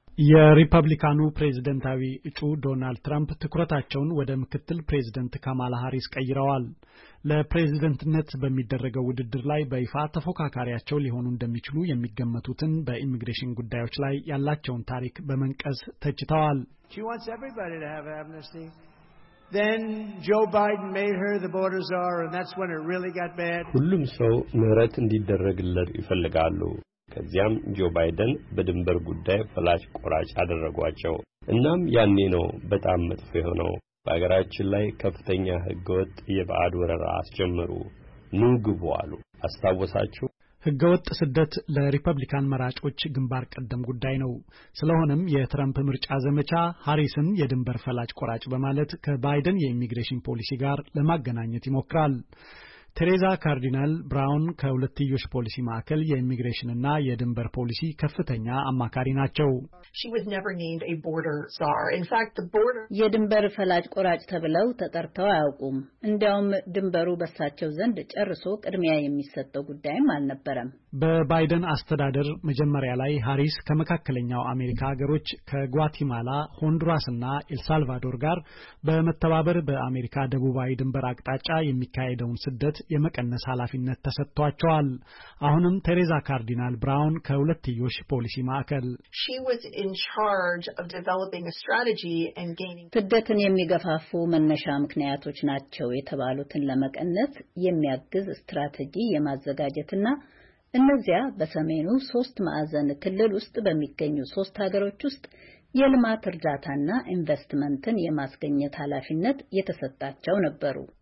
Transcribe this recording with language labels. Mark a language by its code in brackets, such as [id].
[am] የሪፐብሊካኑ ፕሬዚደንታዊ እጩ ዶናልድ ትራምፕ ትኩረታቸውን ወደ ምክትል ፕሬዚደንት ካማላ ሃሪስ ቀይረዋል። ለፕሬዝደንትነት በሚደረገው ውድድር ላይ በይፋ ተፎካካሪያቸው ሊሆኑ እንደሚችሉ የሚገመቱትን በኢሚግሬሽን ጉዳዮች ላይ ያላቸውን ታሪክ በመንቀስ ተችተዋል። [en] She wants everybody to have amnesty. Then Joe Biden made her the border czar and that's when it really got bad. [am] ሁሉም ሰው ምህረት እንዲደረግለት ይፈልጋሉ። ከዚያም ጆ ባይደን በድንበር ጉዳይ ፍላሽ ቆራጭ አደረጓቸው። እናም ያኔ ነው በጣም መጥፎ የሆነው። በአገራችን ላይ ከፍተኛ ህገወጥ የባዕድ ወረራ አስጀመሩ። ንግቡ አሉ። አስታወሳችሁ? ህገወጥ ስደት ለሪፐብሊካን መራጮች ግንባር ቀደም ጉዳይ ነው። ስለሆነም የትራምፕ ምርጫ ዘመቻ ሃሪስን የድንበር ፈላጭ ቆራጭ በማለት ከባይደን የኢሚግሬሽን ፖሊሲ ጋር ለማገናኘት ይሞክራል። ቴሬዛ ካርዲናል ብራውን ከሁለትዮሽ ፖሊሲ ማዕከል የኢሚግሬሽንና የድንበር ፖሊሲ ከፍተኛ አማካሪ ናቸው። [en] She was never named a border czar. In fact, the border [am] የድንበር ፈላጭ ቆራጭ ተብለው ተጠርተው አያውቁም። እንዲያውም ድንበሩ በሳቸው ዘንድ ጨርሶ ቅድሚያ የሚሰጠው ጉዳይም አልነበረም። በባይደን አስተዳደር መጀመሪያ ላይ ሃሪስ ከመካከለኛው አሜሪካ ሀገሮች ከጓቲማላ፣ ሆንዱራስና ኤልሳልቫዶር ጋር በመተባበር በአሜሪካ ደቡባዊ ድንበር አቅጣጫ የሚካሄደውን ስደት የመቀነስ ኃላፊነት ተሰጥቷቸዋል። አሁንም ቴሬዛ ካርዲናል ብራውን ከሁለትዮሽ ፖሊሲ ማዕከል [en] in charge of developing a strategy and gaining [am] ስደትን የሚገፋፉ መነሻ ምክንያቶች ናቸው የተባሉትን ለመቀነስ የሚያግዝ ስትራቴጂ የማዘጋጀትና እነዚያ በሰሜኑ 3 ማዕዘን ክልል ውስጥ በሚገኙ 3 ሀገሮች ውስጥ የልማት እርዳታና ኢንቨስትመንትን የማስገኘት ኃላፊነት የተሰጣቸው ነበሩ።